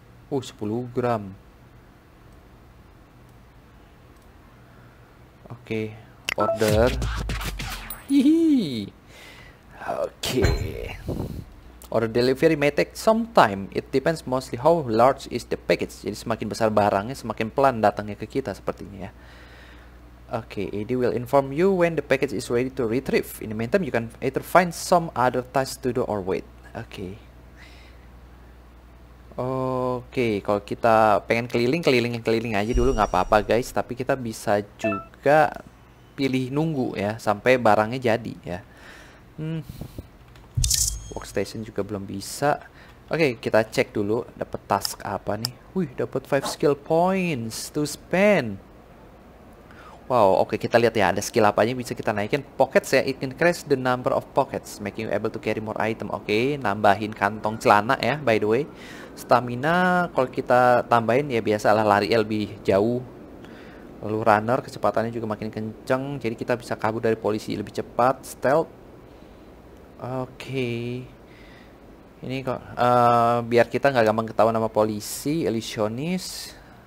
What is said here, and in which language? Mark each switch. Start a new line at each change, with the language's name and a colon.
Indonesian: 10 gram. Oke, order. Hihi. Oke.
English: Order delivery may take some time. It depends mostly how large is the package.
Indonesian: Jadi semakin besar barangnya, semakin pelan datangnya ke kita sepertinya ya.
English: Oke, AD will inform you when the package is ready to retrieve. In the meantime, you can either find some other task to do or wait.
Indonesian: Oke. Oke, kalau kita pengen keliling, keliling aja dulu nggak apa-apa guys. Tapi kita bisa juga pilih nunggu ya, sampai barangnya jadi ya. Workstation juga belum bisa. Oke, kita cek dulu dapat task apa nih. Wih, dapat 5 skill points to spend. Wow, oke, kita lihat ya ada skill apa aja bisa kita naikin.
English: Pockets ya, it increase the number of pockets, making you able to carry more item.
Indonesian: Oke, nambahin kantong celana ya,
English: by the way.
Indonesian: Stamina, kalau kita tambahin ya biasalah lari lebih jauh. Lalu runner, kecepatannya juga makin kenceng. Jadi kita bisa kabur dari polisi lebih cepat. Stealth. Oke. Ini kok, biar kita nggak gampang ketahuan sama polisi. Illusionist.